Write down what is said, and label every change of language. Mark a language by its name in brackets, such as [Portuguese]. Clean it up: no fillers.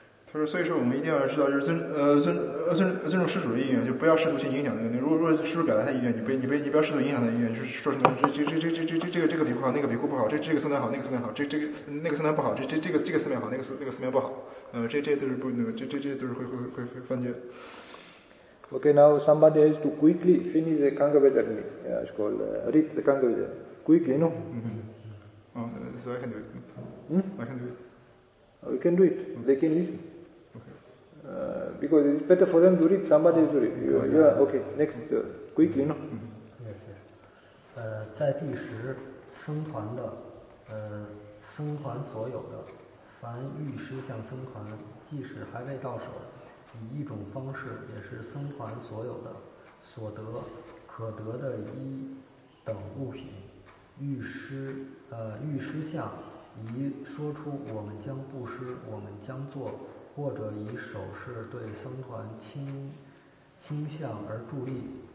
[Chinese] 他说：“所以说，我们一定要知道，就是尊重施主的意愿，就不要试图去影响那个。如果施主表达他意愿，你不要试图影响他意愿，就是说什么这个比库好，那个比库不好，这个僧团好，那个僧团好，那个僧团不好，这个寺庙好，那个寺庙不好。这都是不那个，这都是会犯戒。” [English] Okay, now somebody has to quickly finish the Kangavedana. Yeah, it's called read the Kangavedana quickly, no? So I can do it. Hmm? I can do it. We can do it. Okay. They can listen. Okay. Because it's better for them to read, somebody to read. You, okay. You are, okay, next. Quickly, no? Mm-hmm. Yes, yes. [Chinese] 在第十, 生团的, 生团所有的, 凡欲施向僧团, 即使还未到手, 以一种方式, 也是僧团所有的, 所得, 可得的一等物品, 欲施, 欲施向, 以说出我们将布施, 我们将做, 或者以手势对僧团倾向而助力,